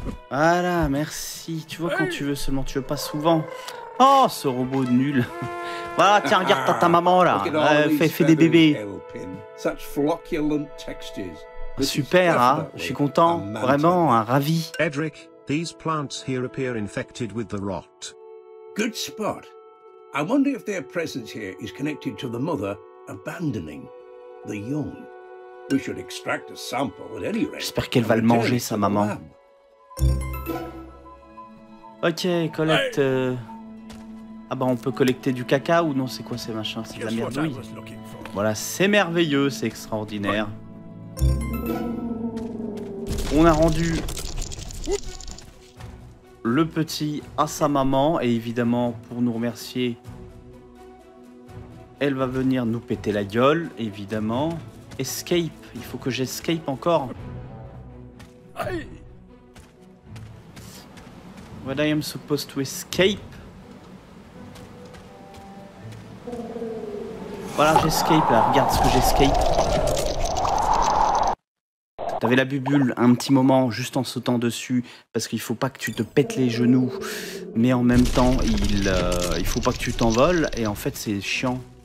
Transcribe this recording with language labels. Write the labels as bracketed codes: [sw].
[fr] Voilà, merci. Tu vois quand tu veux, seulement tu veux pas souvent. Oh, ce robot nul. Voilà, tiens, regarde ta maman là. Fais des bébés. [en] Such flocculent textures. [fr] Super, hein. Je suis content, vraiment, ravi. [en] Edric, these plants here appear infected with the rot. Good spot. I wonder if their presence here is connected to the mother abandoning the young. We should extract a sample at any rate. [fr] J'espère qu'elle va le manger, sa maman. Ok, collecte. Ah bah on peut collecter du caca ou non, c'est quoi ces machins? C'est de la merdouille. Voilà, c'est merveilleux, c'est extraordinaire. On a rendu le petit à sa maman et évidemment pour nous remercier, elle va venir nous péter la gueule, évidemment. Escape, il faut que j'escape encore. [en] What I am supposed to escape. [fr] Voilà, j'escape là, regarde ce que j'escape. T'avais la bubule un petit moment juste en sautant dessus, parce qu'il faut pas que tu te pètes les genoux, mais en même temps, il faut pas que tu t'envoles, et en fait c'est chiant.